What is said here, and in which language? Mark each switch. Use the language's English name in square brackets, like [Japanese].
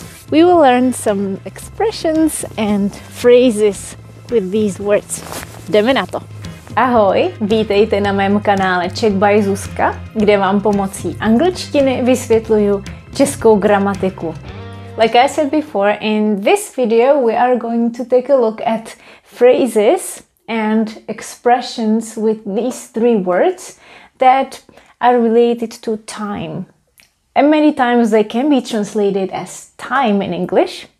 [English] We will learn some expressions and phrases with these words. [Czech] Jdeme na to! Ahoj, vítejte na mém kanále Czech by Zuzka, kde vám pomocí angličtiny vysvětluju českou gramatiku. [English] Like I said before, in this video we are going to take a look at phrases and expressions with these three words that are related to time. And many times they can be translated as time in English.